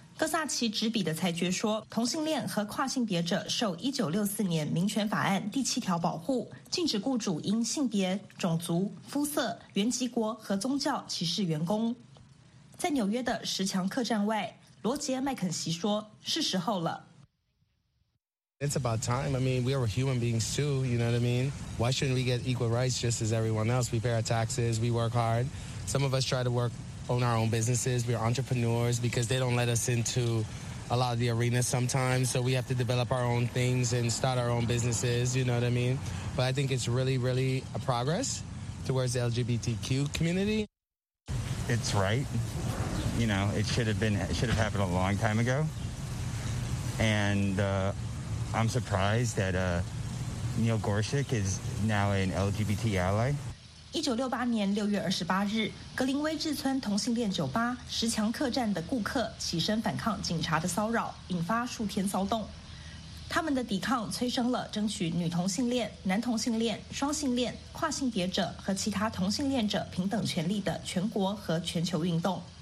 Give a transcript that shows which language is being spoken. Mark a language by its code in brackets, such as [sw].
[zh] 戈萨奇执笔的裁决说，同性恋和跨性别者受1964年民权法案第七条保护，禁止雇主因性别、种族、肤色、原籍国和宗教歧视员工。在纽约的十强客栈外，罗杰·麦肯锡说，是时候了。 [en] It's about time. I mean, we are human beings too, you know what I mean? Why shouldn't we get equal rights just as everyone else? We pay our taxes, we work hard. Some of us try to workOwn our own businesses. We're entrepreneurs because they don't let us into a lot of the arenas sometimes. So we have to develop our own things and start our own businesses. You know what I mean? But I think it's really, really a progress towards the LGBTQ community. It's right. You know, it should have happened a long time ago. And I'm surprised that Neil Gorsuch is now an LGBT ally. [zh] 1968年6月28日，格林威治村同性恋酒吧十强客栈的顾客起身反抗警察的骚扰，引发数天骚动。他们的抵抗催生了争取女同性恋、男同性恋、双性恋、跨性别者和其他同性恋者平等权利的全国和全球运动。